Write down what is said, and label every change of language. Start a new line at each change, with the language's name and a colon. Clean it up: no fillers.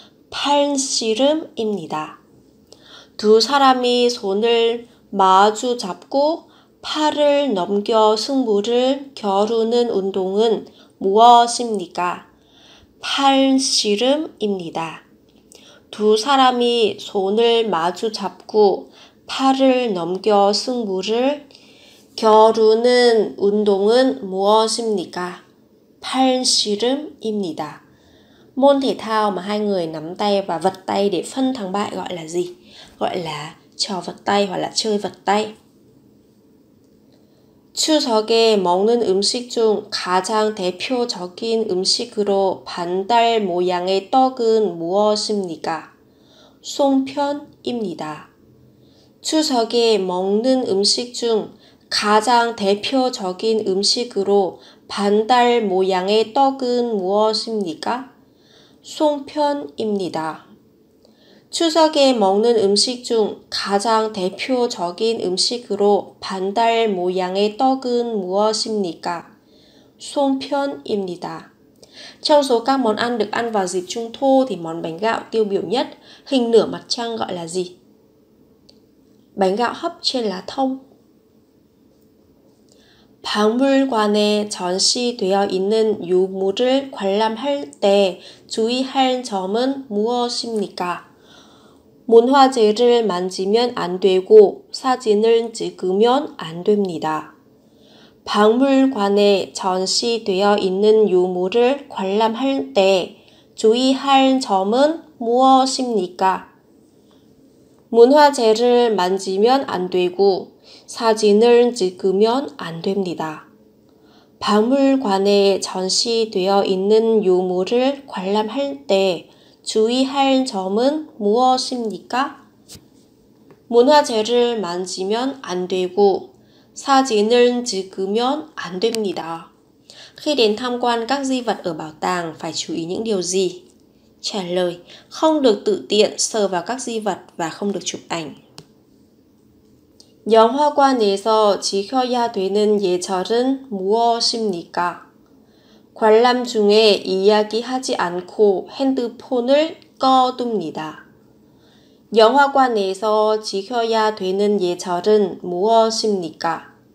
Korean: 팔씨름입니다. 두 사람이 손을 마주 잡고 팔을 넘겨 승부를 겨루는 운동은 무엇입니까? 팔씨름입니다. 두 사람이 손을 마주 잡고 팔을 넘겨 승부를 겨루는 운동은 무엇입니까? 팔씨름입니다.
Vietnamese: Môn thể thao mà hai người nắm tay và vật tay để phân thắng bại gọi là gì? Gọi là trò vật tay hoặc là chơi vật tay.
Korean: 추석에 먹는 음식 중 가장 대표적인 음식으로 반달 모양의 떡은 무엇입니까? 송편입니다. 추석에 먹는 음식 중 가장 대표적인 음식으로 반달 모양의 떡은 무엇입니까? 송편입니다. 추석에 먹는 음식 중 가장 대표적인 음식으로 반달 모양의 떡은 무엇입니까? 송편입니다.
Vietnamese: Trong số các món ăn được ăn vào dịp Trung Thu thì món bánh gạo tiêu biểu nhất, hình nửa mặt trăng gọi là gì? Bánh gạo hấp trên lá thông.
Korean: 박물관에 전시되어 있는 유물을 관람할 때 주의할 점은 무엇입니까? 문화재를 만지면 안 되고 사진을 찍으면 안 됩니다. 박물관에 전시되어 있는 유물을 관람할 때 주의할 점은 무엇입니까? 문화재를 만지면 안 되고 사진을 찍으면 안 됩니다. 박물관에 전시되어 있는 유물을 관람할 때 주의할 점은 무엇입니까? 문화재를 만지면 안 되고 사진을 찍으면 안 됩니다.
Vietnamese: Khi đến tham quan các di vật ở bảo tàng phải chú ý những điều gì? Trả lời: không được tự tiện sờ vào các di vật và không được chụp ảnh.
Korean: 영화관에서 지켜야 되는 예절은 무엇입니까? 관람 중에 이야기하지 않고 핸드폰을 꺼둡니다. 영화관에서 지켜야 되는 예절은 무엇입니까?